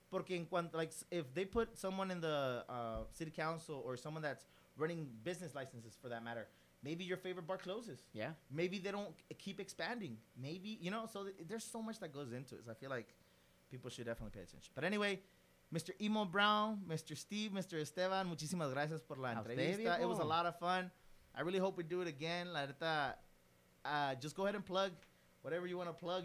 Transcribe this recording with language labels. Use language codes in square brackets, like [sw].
[es] Porque en cuanto, [en] like, if they put someone in the city council or someone that's running business licenses for that matter, maybe your favorite bar closes. Yeah. Maybe they don't keep expanding. Maybe, you know, so there's so much that goes into it. So I feel like people should definitely pay attention. But anyway, Mr. [es] Emo Brown, Mr. Steve, Mr. Esteban, muchísimas gracias por la entrevista. [en] Baby, it was a lot of fun. I really hope we do it again. [es] La neta, [en] just go ahead and plug whatever you want to plug.